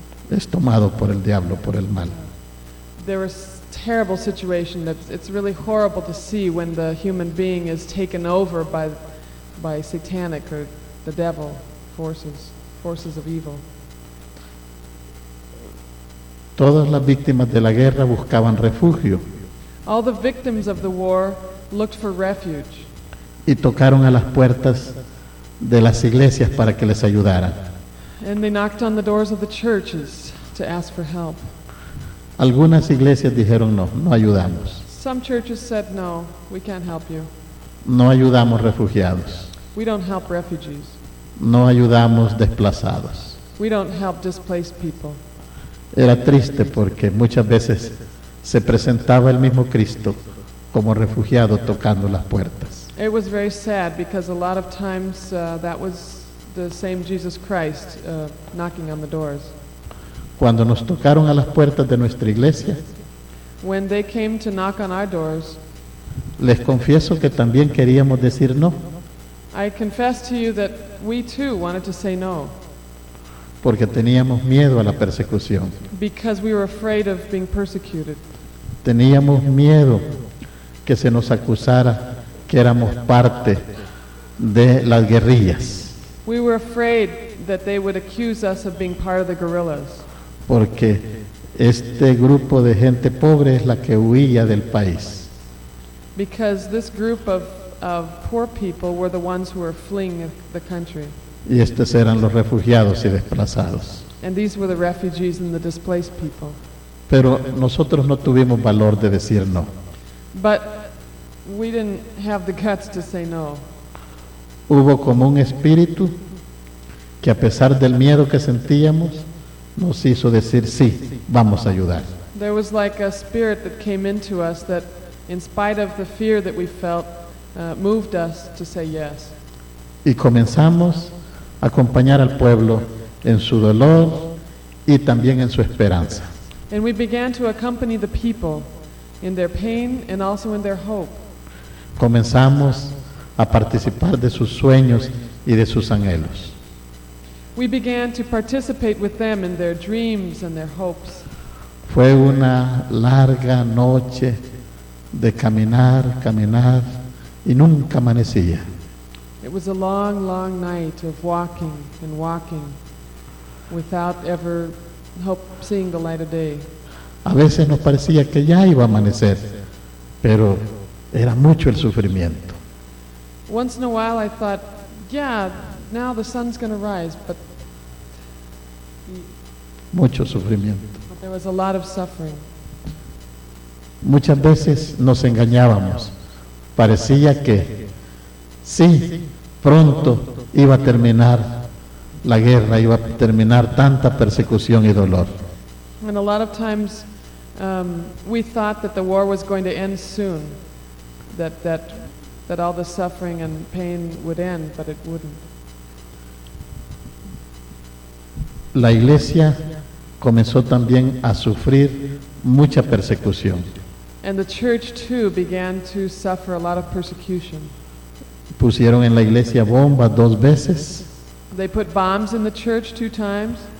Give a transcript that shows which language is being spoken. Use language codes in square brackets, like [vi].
[es] Es tomado por el diablo, por el mal. [en] There is terrible situation that it's really horrible to see when the human being is taken over by satanic or the devil forces of evil. [es] Todas las víctimas de la guerra buscaban refugio. [en] All the victims of the war looked for refuge. [es] Y tocaron a las puertas de las iglesias para que les ayudaran. [en] And they knocked on the doors of the churches to ask for help. [es] Algunas iglesias dijeron no, no ayudamos. [en] Some churches said no, we can't help you. [es] No ayudamos refugiados. [en] We don't help refugees. [es] No ayudamos desplazados. [en] We don't help displaced people. [es] Era triste porque muchas veces se presentaba el mismo Cristo como refugiado tocando las puertas. [en] It was very sad because a lot of times that was the same Jesus Christ knocking on the doors. [es] Cuando nos tocaron a las puertas de nuestra iglesia, [en] when they came to knock on our doors, [es] les confieso que también queríamos decir no. [en] I confess to you that we too wanted to say no. [es] Porque teníamos miedo a la persecución. [en] Because we were afraid of being persecuted. [es] Teníamos miedo que se nos acusara que éramos parte de las guerrillas. [en] We were afraid that they would accuse us of being part of the guerrillas. [es] Porque este grupo de gente pobre es la que huía del país. [en] Because this group of poor people were the ones who were fleeing the country. [es] Y estos eran los refugiados y desplazados. [en] And these were the refugees and the displaced people. [es] Pero nosotros no tuvimos valor de decir no. [en] But we didn't have the guts to say no. [es] Hubo como un espíritu que a pesar del miedo que sentíamos nos hizo decir sí, vamos a ayudar. [en] There was like a spirit that came into us that in spite of the fear that we felt moved us to say yes. [es] Y comenzamos a acompañar al pueblo en su dolor y también en su esperanza. [en] And we began to accompany the people in their pain and also in their hope. [es] Comenzamos a participar de sus sueños y de sus anhelos. [en] We began to participate with them in their dreams and their hopes. [es] Fue una larga noche de caminar, caminar y nunca amanecía. [en] It was a long, long night of walking and walking without ever hope seeing the light of day. [es] A veces nos parecía que ya iba a amanecer, pero era mucho el sufrimiento. [en] Once in a while I thought, yeah, now the sun's going to rise, but [es] mucho sufrimiento. [en] There was a lot of suffering. [es] Muchas veces nos engañábamos. Parecía que sí, pronto iba a terminar la guerra, iba a terminar tanta persecución y dolor. [en] And a lot of times we thought that the war was going to end soon, that all the suffering and pain would end, but it wouldn't. [es] La iglesia comenzó también a sufrir mucha persecución. [en] And the church too began to suffer a lot of persecution. [es] Pusieron en la iglesia bombas dos veces. [en] They put bombs in the church two times.